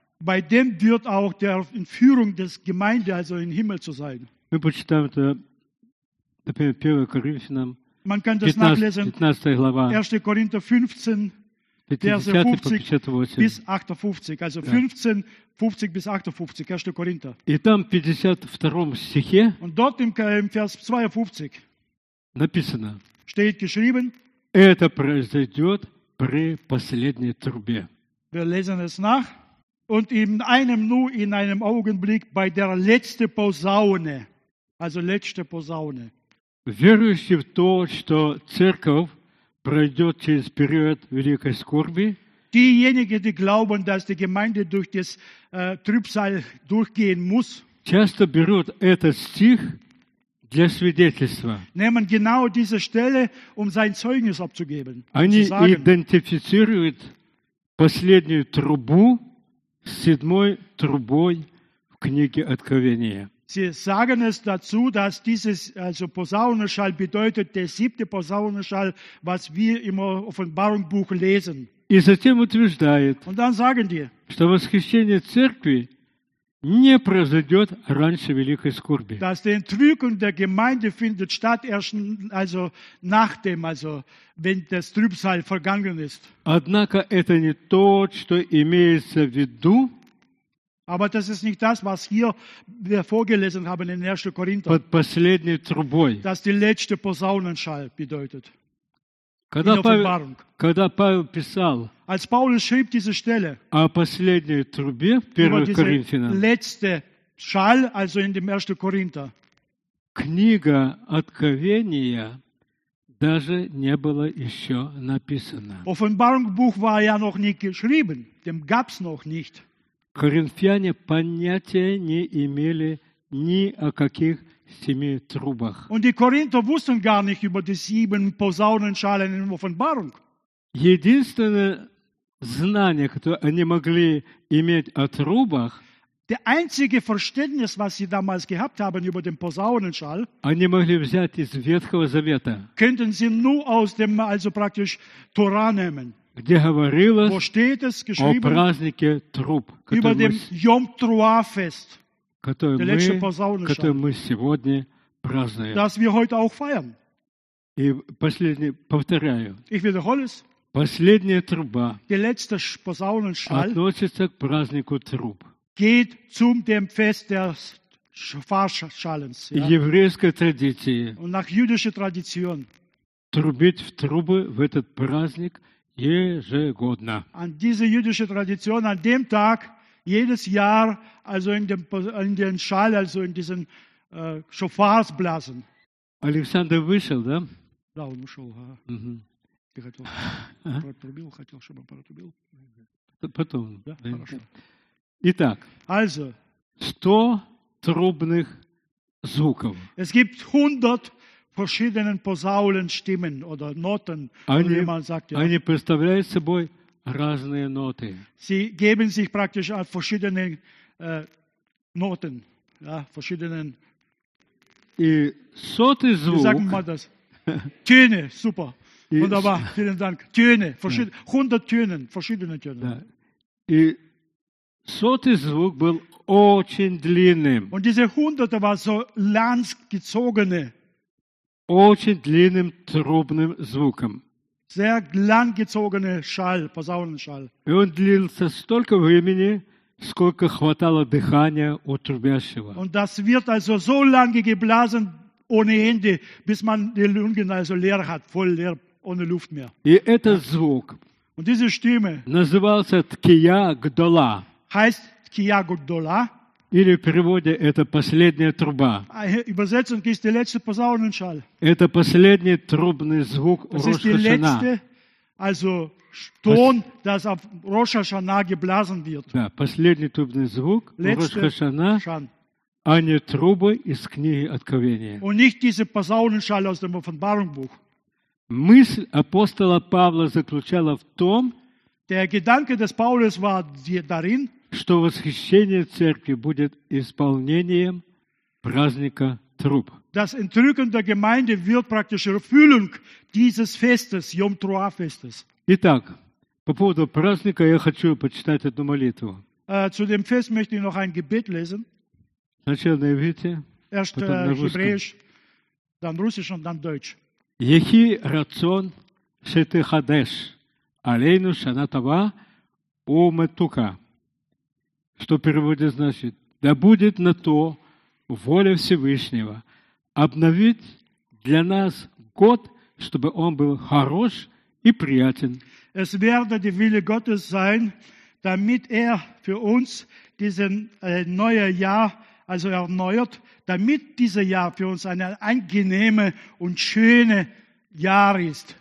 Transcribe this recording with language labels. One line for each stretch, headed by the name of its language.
German: Bei dem wird auch die Entführung des Gemeinde, also in Himmel zu sein.
Russian: Мы почитаем это, например, 1 Коринфянам.
German: Man kann das nachlesen.
Russian: 15 глава.
German: 1. Korinther 15. Verse 50 bis 58, also 15, 50 bis 58, 1. Korinther.
Russian: И там 52 стихе.
German: Und dort im Vers 52.
Russian: Написано.
German: Steht geschrieben.
Russian: Это произойдет при последней трубе.
German: Wir lesen es nach. Und in einem Nu, in einem Augenblick, bei der letzten Posaune, also letzte Posaune.
Russian: Верующий в то, что церковь пройдет через период великой скорби,
German: Diejenigen, die glauben, dass die Gemeinde durch das Trübsal durchgehen muss,
Russian: часто берут этот стих для свидетельства.
German: Nehmen genau diese Stelle, um sein Zeugnis abzugeben.
Russian: Они идентифицируют последнюю трубу с седьмой трубой в книге Откровения.
German: Sie sagen es dazu, dass dieses also Posaunenschall bedeutet der siebte Posaunenschall, was wir im Offenbarungsbuch lesen.
Russian: И затем утверждает,
German: Und dann sagen die,
Russian: что восхищение церкви не произойдет раньше великой скорби.
German: Dass die Entrückung der Gemeinde findet statt erst also nachdem also wenn das Trübsal vergangen ist.
Russian: Однако это не то, что имеется в виду.
German: Aber das ist nicht das, was hier wir vorgelesen haben in 1. Korinther.
Russian: Под последней трубой.
German: Das die letzte Posaunenschall bedeutet.
Russian: Когда Павел писал,
German: als Paulus schrieb diese Stelle,
Russian: о последней трубе, 1. Коринфянам,
German: letzte Schall, also in dem 1. Korinther.
Russian: Книга Откровения даже не была еще написана.
German: Offenbarungsbuch war ja noch nicht geschrieben, dem gab's noch nicht.
Russian: Коринфяне понятия не имели ни о каких семи трубах.
German: Und die Korinther wussten gar nicht über die sieben Posaunenschalen in Offenbarung.
Russian: Единственное знание, которое они могли иметь о трубах,
German: Der einzige Verständnis, was sie damals gehabt haben über den Posaunenschall,
Russian: они могли взять из Ветхого Завета,
German: könnten sie nur aus dem, also praktisch Tora nehmen.
Russian: Где говорилось
German: Wo steht es geschrieben,
Russian: о празднике труб,
German: über dem Yom Trua Fest,
Russian: который мы сегодня празднуем.
German: Das wir heute auch feiern.
Russian: И последнее, повторяю,
German: ich wiederhole es,
Russian: последняя труба
German: die letzte Posaunenschall
Russian: относится к празднику труб.
German: Geht zum dem Fest des Schallens,
Russian: ja? Еврейской традиции
German: Und nach jüdischer Tradition.
Russian: Трубить в трубы в этот праздник ежегодно.
German: An diese jüdische Tradition, an dem Tag, jedes Jahr, also in den Schall, also in diesen Schofarsblasen.
Russian: Alexander вышел, да? Да, он ушел. Ага. Mm-hmm. Ты хотел, чтобы протрубил, Потом. Да, хорошо. Итак,
German: also,
Russian: 100 трубных звуков.
German: Es gibt 100 verschiedenen Posaunenstimmen oder Noten,
Russian: они,
German: wie man sagt. Ja.
Russian: Они представляют собой разные ноты.
German: Sie geben sich praktisch an verschiedenen Noten, ja, verschiedenen.
Russian: И сотый звук.
German: Wie sagen wir das? Töne, super, wunderbar, vielen Dank. Töne, 100 Tönen, verschiedene Töne.
Russian: Да. И сотый звук был очень длинным.
German: Und diese 100 war so langgezogene.
Russian: Очень длинным трубным звуком.
German: Sehr langgezogene Schall, Posaunenschall.
Russian: И он длился столько времени, сколько хватало дыхания у трубящего.
German: Und das wird also so lange geblasen, ohne Ende, bis man die Lungen also leer hat, voll leer, ohne Luft mehr.
Russian: И этот звук
German: Und diese Stimme
Russian: назывался Ткия Гдола.
German: Heißt Ткия Гдола.
Russian: Или в переводе это последняя труба.
German: Übersetzung ist die letzte Posaunenschall.
Russian: Это последний трубный звук Rosh Hashanah.
German: Das ist die letzte, also Ton, das auf Rosh Hashanah geblasen wird.
Russian: Да, последний трубный звук Rosh Hashanah, а не трубы из книги Откровения.
German: Und nicht diese Posaunenschall aus dem Offenbarungsbuch.
Russian: Мысль апостола Павла заключала в том,
German: Der Gedanke des Paulus war darin,
Russian: что восхищение церкви будет исполнением праздника труб.
German: Das Entrücken der Gemeinde wird praktische Erfüllung dieses Festes, Yom Trua Festes.
Russian: Итак, по поводу праздника я хочу почитать одну молитву.
German: Zu dem Fest möchte ich noch ein Gebet lesen.
Russian: Сначала на иврите,
German: Erst
Russian: потом на русском.
German: Hebräisch, dann Russisch und dann Deutsch.
Hebrew: Ехи рацион шеты хадеш, алейну шана тава уметука.
Russian: Что переводит значит, да будет на то воля Всевышнего обновить для нас год, чтобы он был хорош и приятен.
German: Es werde die Wille Gottes sein, damit er für uns diesen neue Jahr also erneuert, damit dieser Jahr für uns ein angenehmes und schönes Jahr ist.